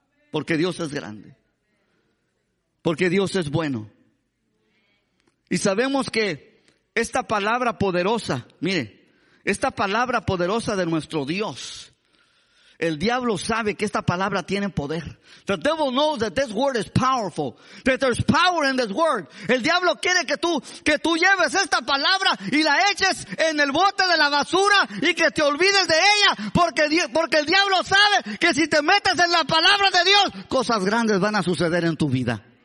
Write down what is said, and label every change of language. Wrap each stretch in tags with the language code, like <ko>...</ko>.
<es>Porque Dios es grande. Porque Dios es bueno. Y sabemos que esta palabra poderosa, mire, esta palabra poderosa de nuestro Dios, el diablo sabe que esta palabra tiene poder.</es> <en>The devil knows that this word is powerful. That there's power in this word.</en> <es>El diablo quiere que tú lleves esta palabra y la eches en el bote de la basura y que te olvides de ella. Porque el diablo sabe que si te metes en la palabra de Dios, cosas grandes van a suceder en tu vida.</es>